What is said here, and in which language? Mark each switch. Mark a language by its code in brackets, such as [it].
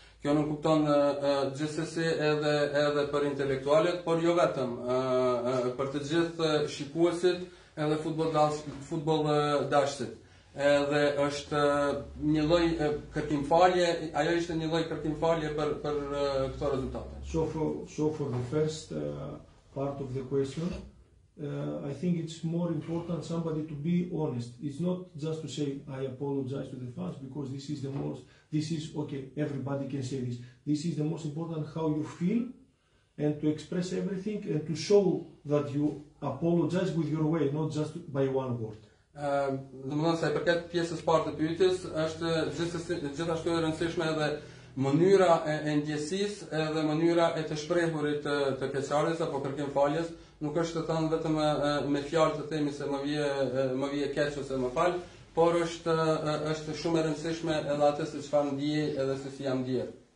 [sq] Kjo nuk kupton gjithsesi edhe për intelektualet, por jo vetëm, për të gjithë shikuesit edhe futboll dashësit. Edhe është një lloj kërkimfalje, ajo ishte një lloj kërkimfalje për këto rezultate. [en] So for the first part of the question, I think it's more important somebody to be honest. It's not just to say I apologize to the fans because this is the most this is okay, everybody can say this. This is the most important how you feel and to express everything and to show that you apologize with your way, not just by one word. [sq] Domthonë sa I përket pjesës parte të pyetjes është gjithashtu e rëndësishme edhe mënyra e ndjesisë edhe mënyra e të shprehurit të keqardhjes apo kërkim faljes. Nuk është të thënë vetëm me fjalë të themi se më vije keq ose më fal, por është shumë e rëndësishme edhe atë se çfarë ndiej edhe se si jam ndier.